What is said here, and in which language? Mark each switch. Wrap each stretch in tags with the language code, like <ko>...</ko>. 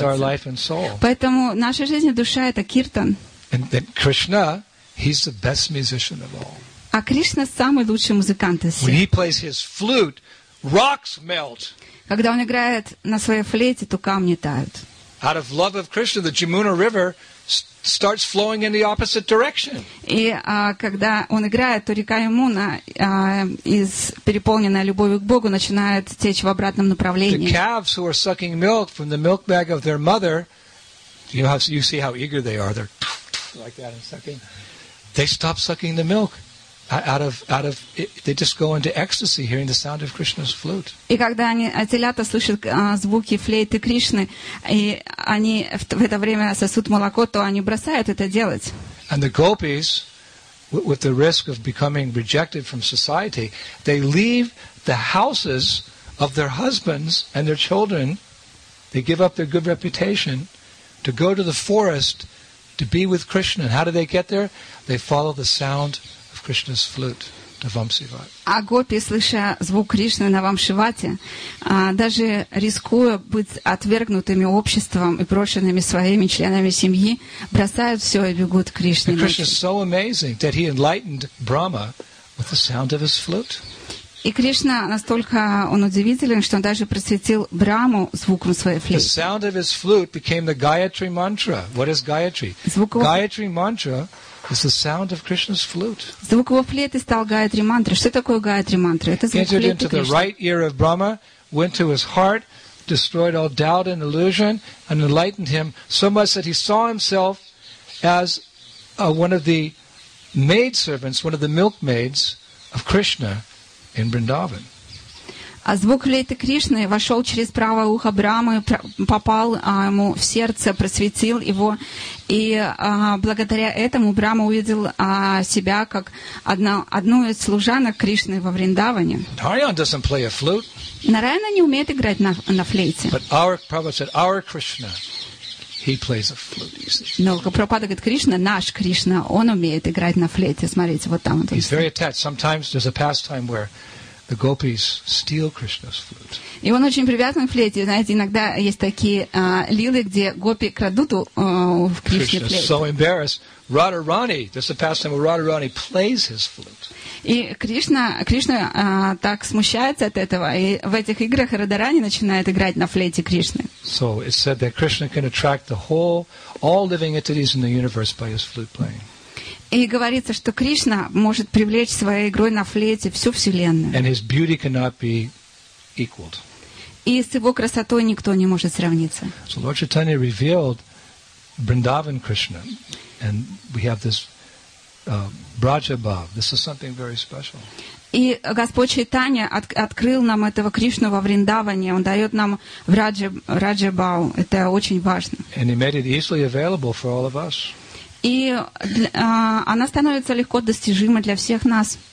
<en>Kirtans are life and soul.</en> <ru>Поэтому наша жизнь и душа – это киртан.</ru> <en>And then Krishna, he's the best musician of all.</en> <ru>А Кришна самый лучший музыкант из всех.</ru> <en>When he plays his flute, rocks melt.</en> <ru>Когда он играет на своей флейте, то камни тают.</ru> <en>Out of love of Krishna, the Jamuna River starts flowing in the opposite direction.</en> <ru>И когда он играет, то река Ямуна, из переполненная любовью к Богу, начинает течь в обратном направлении.</ru> <en>The calves who are sucking milk from the milk bag of their mother, you see how eager they are. They're like that and sucking. They stop sucking the milk. Out of, they just go into ecstasy hearing the sound of Krishna's flute.</en> <ru>И когда они телята слышат звуки флейты Кришны, и они в это время сосут молоко, то они бросают это делать.</ru> <en>And the gopis, with the risk of becoming rejected from society, they leave the houses of their husbands and their children. They give up their good reputation to go to the forest to be with Krishna. And how do they get there? They follow the sound. Krishna's flute, Vamsivat.</en> <ru>А гопи, слыша звук Кришны на Вамшивате, даже рискуя быть отвергнутыми обществом и брошенными своими членами семьи, бросают все и бегут к Кришне.</ru> <en>Krishna is so amazing that he enlightened Brahma with the sound of his flute.</en> <ru>И Кришна настолько он удивителен, что он даже просветил Браму звуком своей флейты.</ru> <en>The sound of his flute became the Gayatri mantra. What is Gayatri? Gayatri mantra. It's the sound of Krishna's flute.</en> <ru>Звук его флейты стал Гаятри мантрой. Что такое Гаятри мантра? Это звук флейты Кришны.</ru> <en>Entered into the right ear of Brahma, went to his heart, destroyed all doubt and illusion, and enlightened him so much that he saw himself as one of the maid servants, one of the milkmaids of Krishna in Vrindavan.</en> <ru>А звук флейты Кришны вошел через правое ухо Брамы, попал ему в сердце, просветил его. И благодаря этому Брама увидел себя как одну из служанок Кришны во Вриндаване.</ru> <en>Нараяна doesn't play a flute.</en> <ru>Нараяна не умеет играть на флейте.</ru> <en>But our Prabhupada said, our Krishna, he plays a flute.</en> <ru>Но Прабхупада говорит, Кришна, наш Кришна, он умеет играть на флейте. Смотрите, вот там.</ru> <en>He's very attached. Sometimes there's a pastime where the gopis steal Krishna's flute.</en> <ru>И он очень привязан к флейте. Знаете, иногда есть такие лилы, где гопи крадут в Кришне флейту.</ru> <en>Krishna's so embarrassed. Radharani, this is the pastime where Radharani plays his flute.</en> <ru>И Кришна так смущается от этого, и в этих играх Радарани начинает играть на флейте Кришны.</ru> <en>So it's said that Krishna can attract the whole, all living entities in the universe by his flute playing.</en> <ru>И говорится, что Кришна может привлечь своей игрой на флейте всю Вселенную.</ru> <en>And his beauty cannot be equaled.</en> <ru>И с его красотой никто не может сравниться.</ru> <en>So Lord Chaitanya revealed Vrindavan Krishna, and we have this Braja Bhav. This is something very special.</en> <ru>И Господь Чайтанья открыл нам этого Кришну во Вриндаване. Он дает нам Раджа Бау. Это очень важно.</ru> <en>And he made it easily available for all of us.</en> <ru>И она становится легко достижимой для всех нас.</ru>